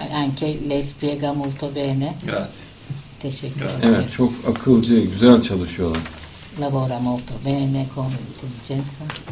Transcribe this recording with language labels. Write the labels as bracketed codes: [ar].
[it] Anche lei spiega molto bene. Grazie. [tr] Teşekkür ederim. Evet, çok akılcı, güzel çalışıyorlar. [it] Lavora molto bene con intelligenza.